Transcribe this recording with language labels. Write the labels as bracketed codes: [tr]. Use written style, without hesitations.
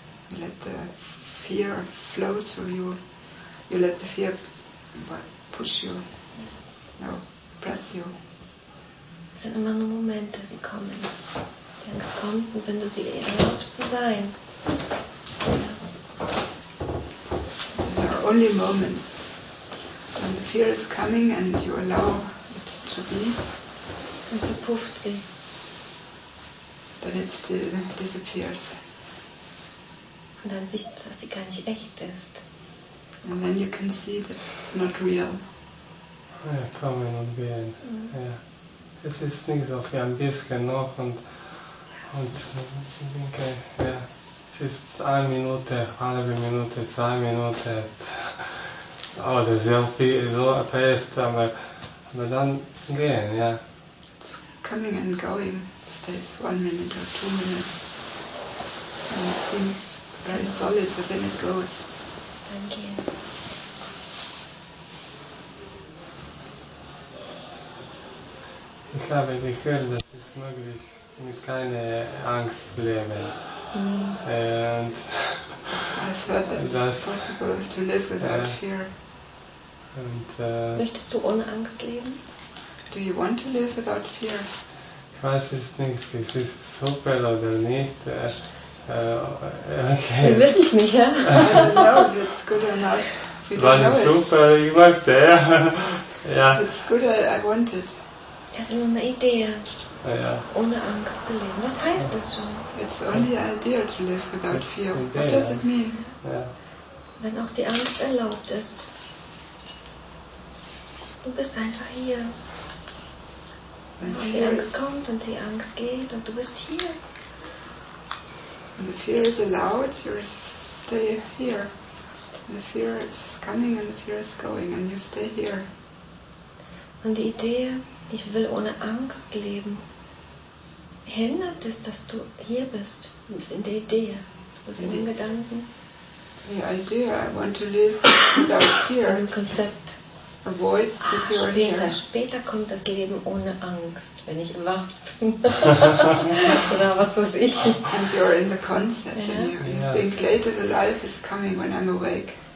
[en] You let the fear flow through you. You let the fear push you. No, press you. [de] Es sind immer nur Momente, sie kommen. Die Angst kommt, und wenn du sie erlaubst zu sein. [en] There are only moments when the fear is coming and you allow it to be. [de] Dann verpufft sie. [en] Then it still disappears. [de] Und dann siehst du, dass sie gar nicht echt ist. [en] And then you can see that it's not real. [de] Ja, kommen und gehen. Mhm. Ja. Es ist nichts, auf ein bisschen noch und okay, ja. Es ist eine Minute, halbe Minute, zwei Minuten. Aber das ist sehr viel, so fest, aber dann gehen, ja. [en] It's coming and going. It stays 1 minute or 2 minutes. And it seems very solid, but then it goes. [de] Dann gehen. Ich habe gehört, dass es möglich ist, mit keine Angst leben. And [en] I thought that it's possible to live without fear. And, [de] möchtest du ohne Angst leben? [en] Do you want to live without fear? [de] Ich weiß es nicht, es ist super oder nicht. Okay. Wir wissen es nicht, ja? [en] No, if it's good or not. [de] Es war super, ich möchte, ja. [en] If it's good, I want it. [de] Es ist eine Idee. Ja. Ohne Angst zu leben. Was heißt das schon? [en] It's only an idea to live without fear. What does it mean? Ja. [de] Wenn auch die Angst erlaubt ist. Du bist einfach hier. Wenn und die Angst kommt und die Angst geht und du bist hier. [en] When the fear is allowed, you stay here. When the fear is coming and the fear is going and you stay here. [de] Und die Idee, ich will ohne Angst leben, hindert es, dass du hier bist. Du bist in der Idee, du bist in den Gedanken. [en] The idea, I want to live without fear. [de] Ein Konzept. [en] Avoids the fear. [de] Später kommt das Leben ohne Angst, wenn ich wach bin. Oder was weiß ich. [en] And you're in the concept. Yeah. And you think later the life is coming when I'm awake.